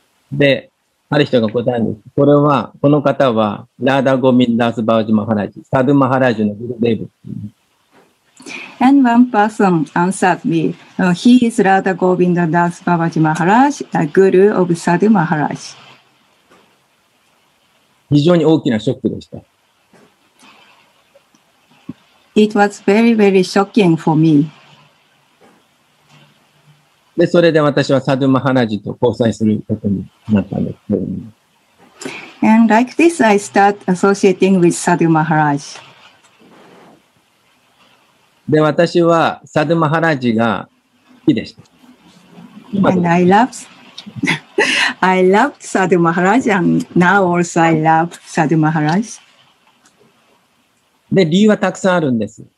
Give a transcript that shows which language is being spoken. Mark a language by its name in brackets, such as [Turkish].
[Japanese] で、ある人が答えたんです。これは、この方は、ラーダ・ゴビンダース・バージ・マハラジ、サドゥ・マハラジのグルデーブ。 [English] And one person answered me, he is Radha Govinda Das Babaji Maharaj, the guru of Sadhu Maharaj. [Japanese] 非常に大きなショックでした。 [English] It was very, very shocking for me. [Japanese] で、それで私はサドゥ・マハラジと交際することになったんです。 [English] And like this, I start associating with Sadhu Maharaj. [Japanese] で、私はサドゥ・マハラジが好きでした。 [English] And I loved サドゥ・マハラジ and now also I love サドゥ・マハラジ。 [Japanese] で、理由はたくさんあるんです。